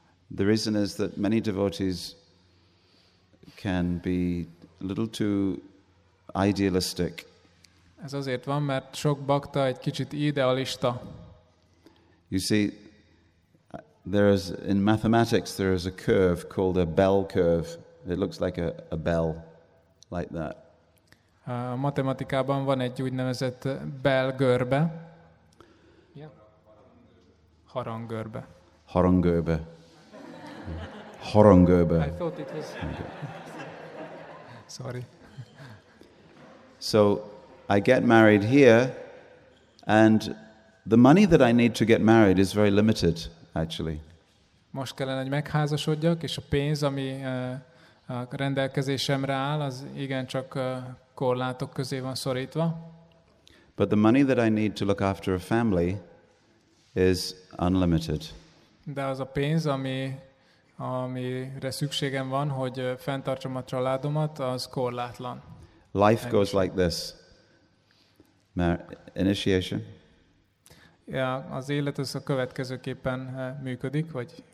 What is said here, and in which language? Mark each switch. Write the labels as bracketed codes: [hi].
[en] The reason is that many devotees can be a little too idealistic. [hu] Ez azért van, mert sok bakta egy kicsit idealista. [en] You see, there is in mathematics there is a curve called a bell curve. It looks like a bell, like that. [hu] A matematikában van egy úgynevezett bell görbe. Yeah. Haranggörbe. Haranggörbe. Haranggörbe. [en] I thought it was. Okay. Sorry. So I get married here, and the money that I need to get married is very limited, actually. [hu] Most kellene, hogy megházasodjak, és a pénz, ami a rendelkezésemre áll, az igen csak korlátok közé van szorítva. [en] But the money that I need to look after a family is unlimited. [hu] De az a pénz, amire szükségem van, hogy fenntartsam a családomat, az korlátlan. [en] Life goes like this. Initiation. [hu] Ja, az élet az a következőképpen működik, vagy?